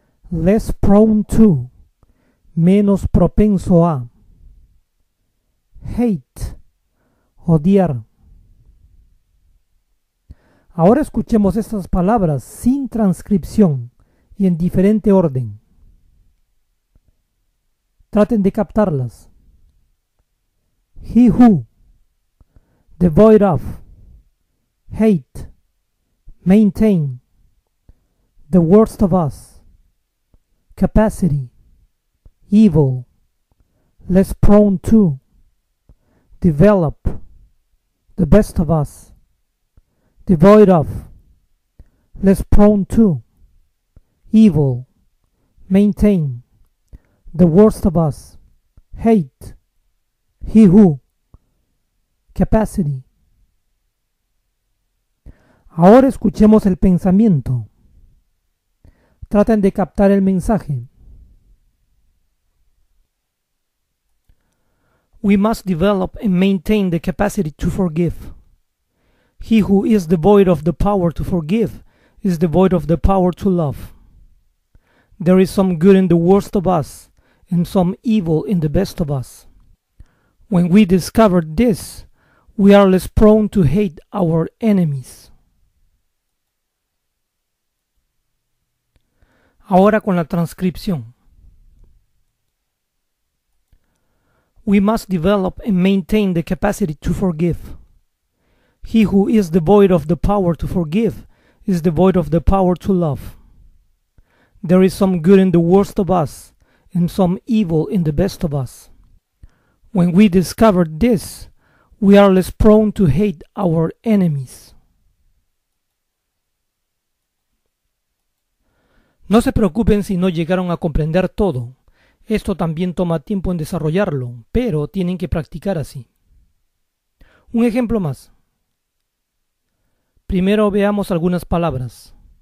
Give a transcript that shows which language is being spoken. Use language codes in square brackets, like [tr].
[en] Less prone to, [es] menos propenso a. [en] Hate, [es] odiar. Ahora escuchemos estas palabras sin transcripción y en diferente orden. Traten de captarlas. [en] He who, devoid of, hate, maintain, the worst of us, capacity, evil, less prone to, develop, the best of us, devoid of, less prone to, evil, maintain, the worst of us, hate, he who, capacity. [es] Ahora escuchemos el pensamiento. Traten de captar el mensaje. [en] We must develop and maintain the capacity to forgive. He who is devoid of the power to forgive is devoid of the power to love. There is some good in the worst of us and some evil in the best of us. When we discover this, we are less prone to hate our enemies. [es] Ahora con la transcripción. [en] We must develop and maintain the capacity to forgive. He who is devoid of the power to forgive is devoid of the power to love. There is some good in the worst of us and some evil in the best of us. When we discover this, we are less prone to hate our enemies. [es] No se preocupen si no llegaron a comprender todo. Esto también toma tiempo en desarrollarlo, pero tienen que practicar así. Un ejemplo más. Primero veamos algunas palabras.